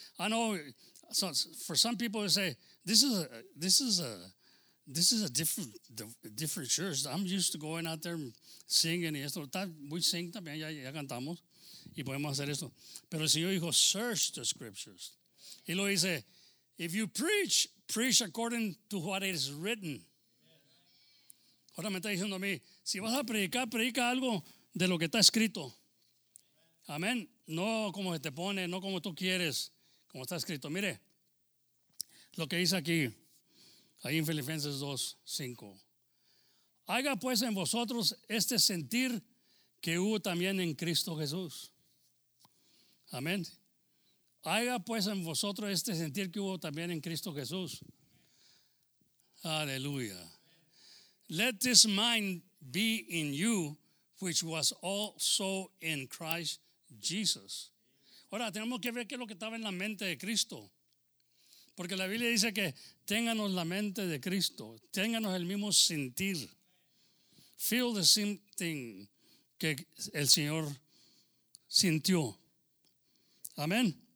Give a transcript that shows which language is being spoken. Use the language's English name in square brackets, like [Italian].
[English] I know so for some people they say, this is a different church. I'm used to going out there singing [Spanish] y esto. [English] We sing [Spanish] también, ya cantamos. Y podemos hacer esto. Pero el Señor dijo, [English] search the scriptures. [Spanish] Y lo dice, [English] if you preach, preach according to what is written. [Spanish] Ahora me está diciendo a mí, si vas a predicar, predica algo de lo que está escrito. Amén. No como se te pone, no como tú quieres, como está escrito. Mire, lo que dice aquí, ahí en Filipenses 2, 5. Haga pues en vosotros este sentir que hubo también en Cristo Jesús. Amén. Haga pues en vosotros este sentir que hubo también en Cristo Jesús. Aleluya. [English] Let this mind be in you, which was also in Christ Jesus. [Spanish] Ahora, tenemos que ver qué es lo que estaba en la mente de Cristo. Porque la Biblia dice que ténganos la mente de Cristo. Ténganos el mismo sentir. [English] Feel the same thing [Spanish] que el Señor sintió. Amén.